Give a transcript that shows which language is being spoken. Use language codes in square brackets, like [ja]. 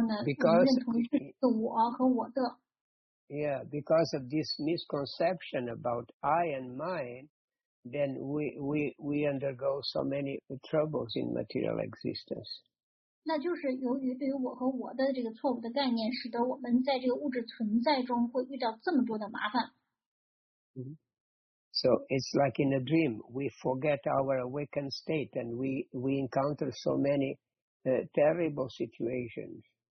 [zh] 所遇到麻烦的真正的问题所在，我们所得到的，我们所得的这个真正的病，也就是说呢，认同是我和我的。 [en] Yeah, because of this misconception about I and mine, then we undergo so many troubles in material existence. [zh] 那就是由于对于我和我的这个错误的概念，使得我们在这个物质存在中会遇到这么多的麻烦。 [en] So it's like in a dream, we forget our awakened state and we encounter so many terrible situations.